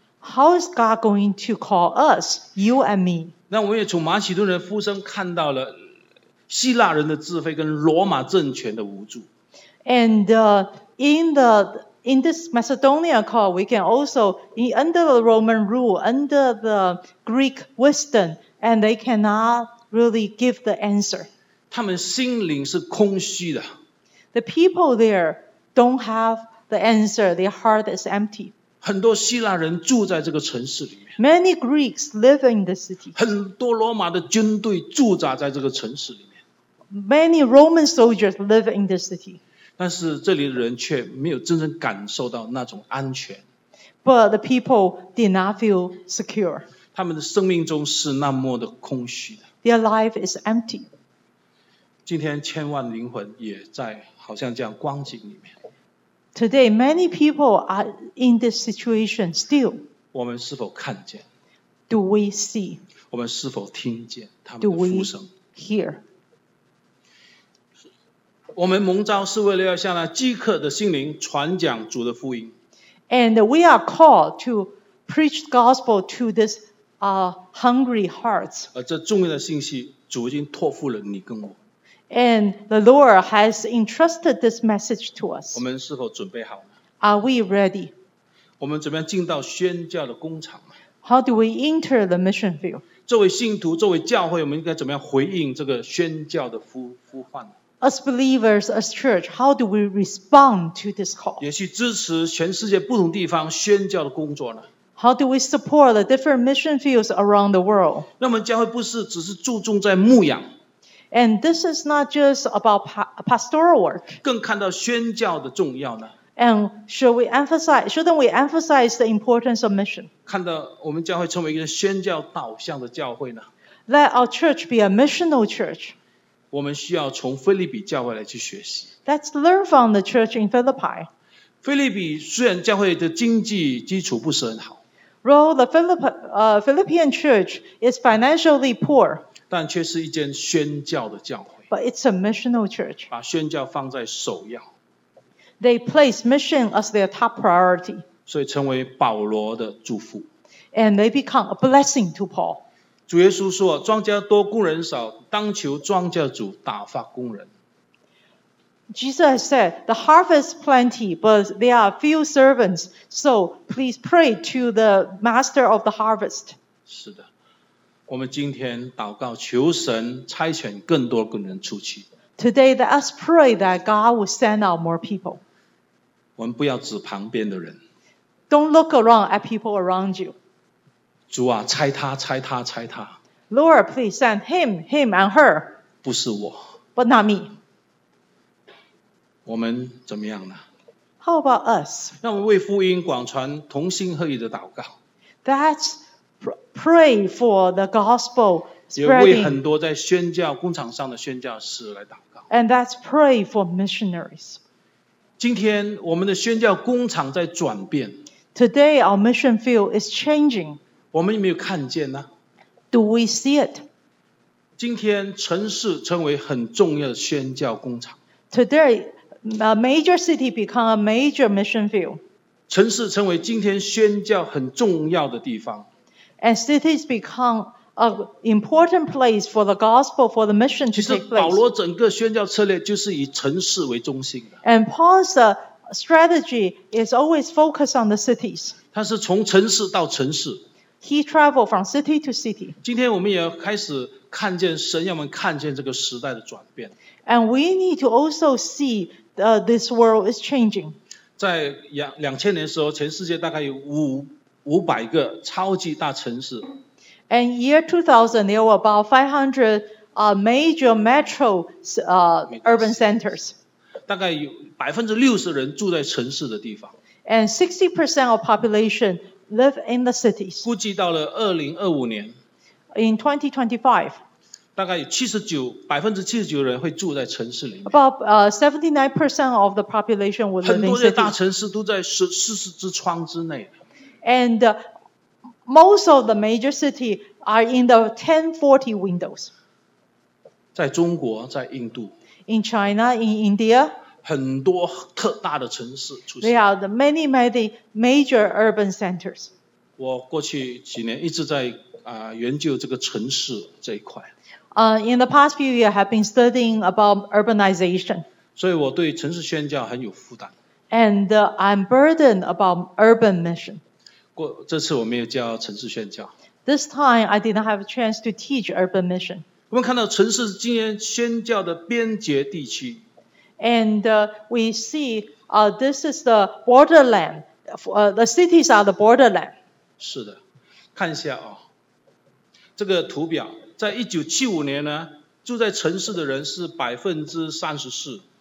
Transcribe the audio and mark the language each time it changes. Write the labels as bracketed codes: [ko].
[en] How is God going to call us, you and me? [zh] 那我们也从马其顿人呼声看到了希腊人的自卑跟罗马政权的无助。 [en] And in this Macedonia call, we can also under the Roman rule, under the Greek wisdom, and they cannot really give the answer. [zh] 他们心灵是空虚的。 [en] The people there don't have the answer. Their heart is empty. [zh] 很多希腊人住在这个城市里。 [en] Many Greeks live in the city. [zh] 很多罗马的军队驻扎在这个城市里面。 [en] Many Roman soldiers live in the city. [zh] 但是这里的人却没有真正感受到那种安全。 [en] But the people did not feel secure. [zh] 他们的生命中是那么的空虚的。 [en] Their life is empty. [zh] 今天千万灵魂也在好像这样光景里面。 [en] Today, many people are in this situation still. [zh] 我们是否看见？ [en] Do we see? [zh] 我们是否听见他们的呼声 [en] ？Hear. [zh] 我们蒙召是为了要向那饥渴的心灵传讲主的福音。 [en] And we are called to preach the gospel to this hungry hearts. [zh] 而这重要的信息，主已经托付了你跟我。 [en] And the Lord has entrusted this message to us. [zh] 我们是否准备好了 [en] ？Are we ready? [zh] 我们怎么样进到宣教的工厂？ [en] How do we enter the mission field? [zh] 作为信徒，作为教会，我们应该怎么样回应这个宣教的呼唤？ [en] As believers, as church, how do we respond to this call? [zh] 也去支持全世界不同地方宣教的工作呢？ [en] How do we support the different mission fields around the world? [zh] 那么教会不是只是注重在牧养。 [en] And this is not just about pastoral work. [zh] 更看到宣教的重要呢？ [en] And shouldn't we emphasize the importance of mission? [zh] 看到我们教会成为一个宣教导向的教会呢 [en] ？Let our church be a missional church. [zh] 我们需要从腓立比教会来去学习。 [en] Let's learn from the church in Philippi. [zh] 腓立比虽然教会的经济基础不是很好 [en] ，Though the Philippian church is financially poor， [zh] 但却是一间宣教的教会。 [en] But it's a missional church. [zh] 把宣教放在首要。 [en] They place mission as their top priority. [zh] 所以成为保罗的祝福。 [en] And they become a blessing to Paul. [zh] 主耶稣说，庄稼多，工人少，当求庄稼主打发工人。 [en] Jesus said, the harvest is plenty, but there are few servants, so please pray to the master of the harvest. [zh] 是的，我们今天祷告，求神差遣更多工人出去。 [en] Today, let us pray that God will send out more people. [zh] 我们不要指旁边的人。 [en] Don't look around at people around you. [zh] 主啊，差他，差他，差他。 [en] Lord, please send him, him and her. [zh] 不是我。 [en] But not me. [zh] 我们怎么样呢 [en] ？How about us? [zh] 让我们为福音广传同心合意的祷告。 [en] That's pray for the gospel. [zh] 也为很多在宣教工厂上的宣教士来祷告。 [en] And that's pray for missionaries. [zh] 今天我们的宣教工厂在转变。 [en] Today our mission field is changing. [zh] 我们有没有看见呢 [en] ？Do we see it? [zh] 今天城市成为很重要的宣教工厂。 [en] Today a major city become a major mission field. [zh] 城市成为今天宣教很重要的地方。 [en] And cities becomeAn important place for the gospel, for the mission to take place. [zh] 其实保罗整个宣教策略就是以城市为中心的。 [en] And Paul's strategy is always focused on the cities. [zh] 他是从城市到城市。 [en] He traveled from city to city. [zh] 今天我们也要开始看见神要我们看见这个时代的转变。 [en] And we need to also see this world is changing. [zh] 在2000年的时候，全世界大概有500个超级大城市。 [en] And year 2000, there were about 500 major metro urban centers. [zh] 大概有60%人住在城市的地方。 [en] And 60% of population live in the cities. [zh] 估计到了2025年。 [en] In 2025. [zh] 大概有79%人会住在城市里面。 [en] About 79% of the population would live in cities. [zh] 很多的大城市都在四十之窗之内。 [en] And most of the major city are in the 1040 windows. [zh] 在中国，在印度。 [en] In China, in India. [zh] 很多特大的城市出现。 [en] There are the many, many major urban centers. [zh] 我过去几年一直在研究这个城市这一块。 [en] In the past few years, I have been studying about urbanization. [zh] 所以我对城市宣教很有负担。 [en] And I'm burdened about urban mission. [zh] 这次我没有教城市宣教。 [en] This time I did not have a chance to teach urban mission. [zh] 我们看到城市今天宣教的边界地区。 [en] And we see, this is the borderland. The cities are the borderland. [zh] 是的，看一下这个图表，在1975年呢，住在城市的人是34%。